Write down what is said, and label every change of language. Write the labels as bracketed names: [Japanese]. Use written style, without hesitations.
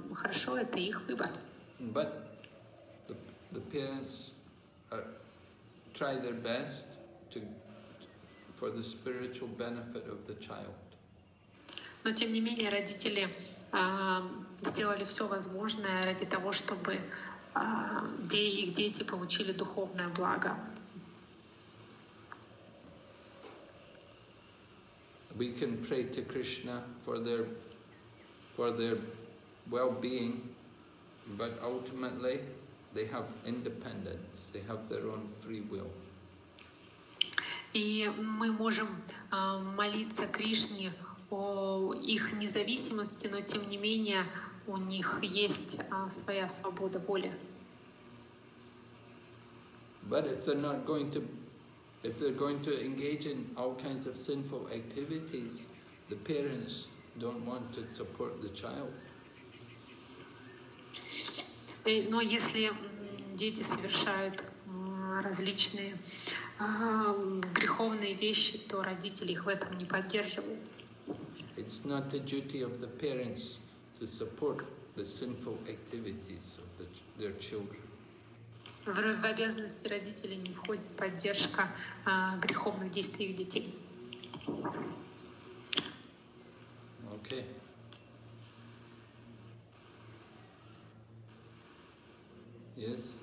[Russian] Хорошо, это их выбор. [English] But the parents try their best to for the spiritual benefit of the child. [Russian] Но тем не менее родители сделали все возможное ради того, чтобы их дети получили духовное благо. [English] We can pray to Krishna for their well-being, but ultimately they have independence, they have their own free will. [Russian] И мы можем молиться Кришне о их независимости, но тем не менее у них есть своя свобода воли. [English] But if they're not going to, if they're going to engage in all kinds of sinful activities, the parents don't want to support the child. [Russian] Но если дети совершают различные греховные вещи, то родители их в этом не поддерживают. [English] It's not the duty of the parents to support the sinful activities of their children. [Russian] В обязанности родителей не входит поддержка греховных действий их детей. [English] Okay. Yes.